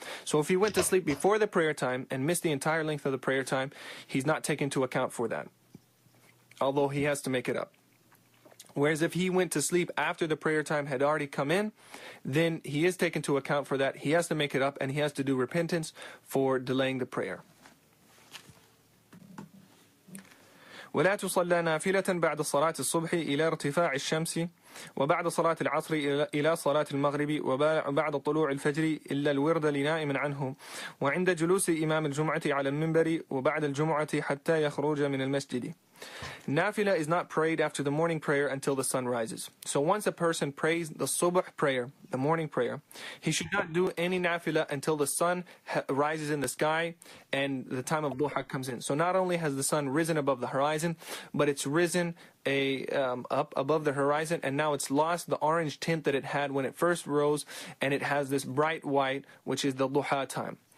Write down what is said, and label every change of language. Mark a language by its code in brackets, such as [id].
[en] So if he went to sleep before the prayer time and missed the entire length of the prayer time, he's not taken into account for that, although he has to make it up. Whereas if he went to sleep after the prayer time had already come in, then he is taken to account for that. He has to make it up and he has to do repentance for delaying the prayer. [ar] ولا تصلى نافلة بعد صلاة الصبح إلى ارتفاع الشمس وبعد صلاة العصر إلى صلاة المغرب وبعد طلوع الفجر إلا الورد لنائم عنه وعند جلوس إمام الجمعة على المنبر وبعد الجمعة حتى يخرج من المسجد. [en] Nafila is not prayed after the morning prayer until the sun rises. So once a person prays the subh prayer, the morning prayer, he should not do any nafila until the sun rises in the sky and the time of duha comes in. So not only has the sun risen above the horizon, but it's risen up above the horizon, and now it's lost the orange tint that it had when it first rose, and it has this bright white, which is the duha time.